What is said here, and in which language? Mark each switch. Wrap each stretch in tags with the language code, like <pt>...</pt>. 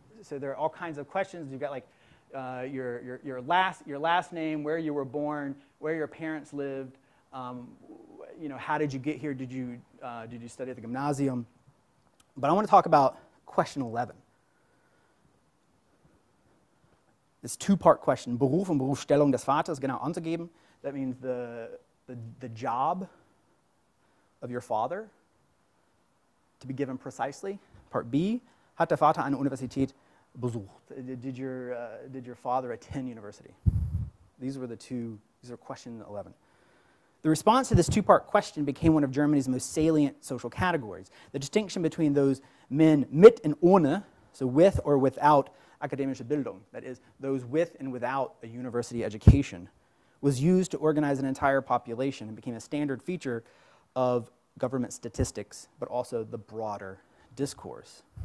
<en>So there are all kinds of questions. You've got like your last name, where you were born, where your parents lived, you know, how did you get here? Did you study at the gymnasium? But I want to talk about question 11. This two-part question,</en> <de>Beruf und Berufsstellung des Vaters, genau anzugeben.</de> <en>That means the job of your father to be given precisely. Part B,</en> <de>hat der Vater eine Universität besucht?</de> <en>Did your father attend university? These are question 11. The response to this two-part question became one of Germany's most salient social categories. The distinction between those men</en> <de>mit und ohne,</de> <en>so with or without,</en> <de>academische Bildung,</de> <en>that is, those with and without a university education, was used to organize an entire population and became a standard feature of government statistics, but also the broader discourse.</en>